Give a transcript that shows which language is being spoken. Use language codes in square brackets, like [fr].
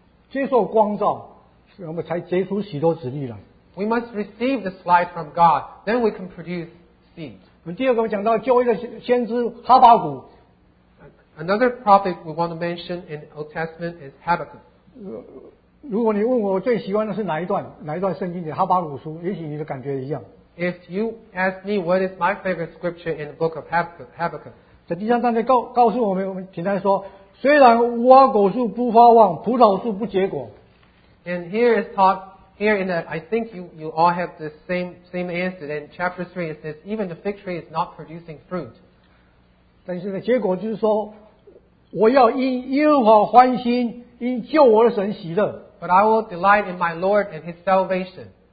[zh] 接受光照，我们才结出许多子粒来。 [en] We must receive this light from God, then we can produce seeds. [zh] 我们第二个讲到旧约的先知哈巴谷。 [en] Another prophet we want to mention in Old Testament is Habakkuk. [zh] 如果你问我最喜欢的是哪一段圣经的哈巴谷书，也许你的感觉一样。 [en] If you ask me what is my favorite scripture in the book of Habakkuk, [zh] 在第三章告诉我们，简单说，虽然无花果树不发旺，葡萄树不结果。 [en] And here is taught here in that I think you all have the same answer. In chapter 3, it says even the fig tree is not producing fruit. [zh] 但是呢，结果就是说，我要因耶和华欢心。 [en] But I will delight in my Lord and his salvation.